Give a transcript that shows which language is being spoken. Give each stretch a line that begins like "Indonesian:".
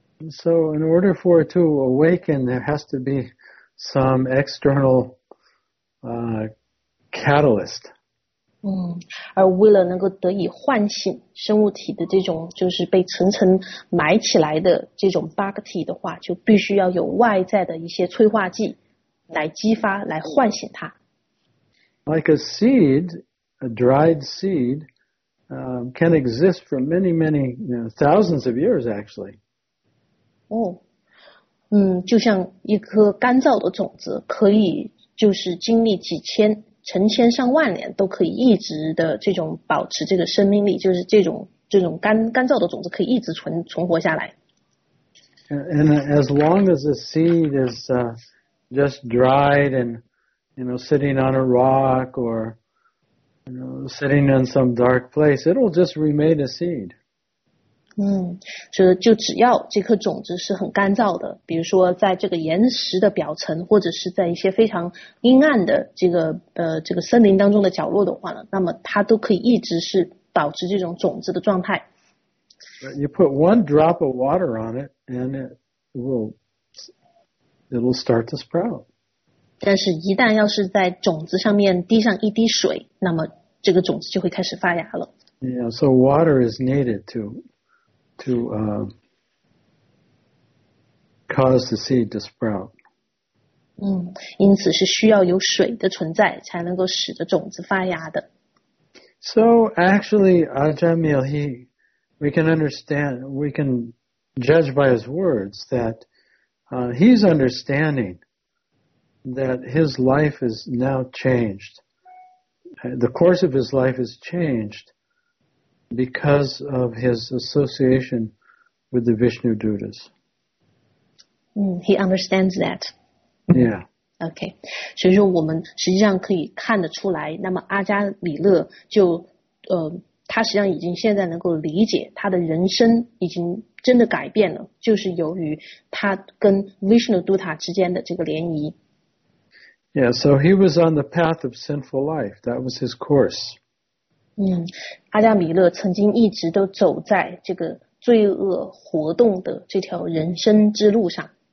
English: So in order for it to awaken, there has to be some external catalyst.
Chinese: 而为了能够得以唤醒生物体的这种就是被层层埋起来的这种 bhakti 的话就必须要有外在的一些催化剂来激发来唤醒它
English: Like a seed, a dried seed, can exist for many, many, you know, thousands of years actually.
Chinese: 就像一颗干燥的种子可以就是经历几千成千上万年都可以一直的这种保持这个生命力，就是这种干燥的种子可以一直存活下来。
English: And as long as the seed is just dried and you know sitting on a rock or you know sitting in some dark place, it'll just remain a seed.
Chinese: 就只要这颗种子是很干燥的，比如说在这个岩石的表层，或者是在一些非常阴暗的这个森林当中的角落的话呢，那么它都可以一直是保持这种种子的状态。
English: You put one drop of water on it, and it'll start to sprout.
Chinese: 但是，一旦要是在种子上面滴上一滴水，那么这个种子就会开始发芽了。
English: Yeah, so water is needed to cause the seed to sprout.
Chinese: 因此是需要有水的存在才能够使得种子发芽的。
English: So actually, Ajamil, we can understand, we can judge by his words that he's understanding that his life is now changed. The course of his life is changed because of his association with the Vishnu Dutas. He understands that. Yeah.
Chinese: OK, 所以说我们实际上可以看得出来，那么阿加里勒就他实际上已经现在能够理解他的人生已经真的改变了，就是由于他跟 Vishnu Dutta 之间的这个联谊。
English: Yeah, so he was on the path of sinful life. That was his course.
Chinese: 阿加里勒曾经一直都走在这个罪恶活动的这条人生之路上。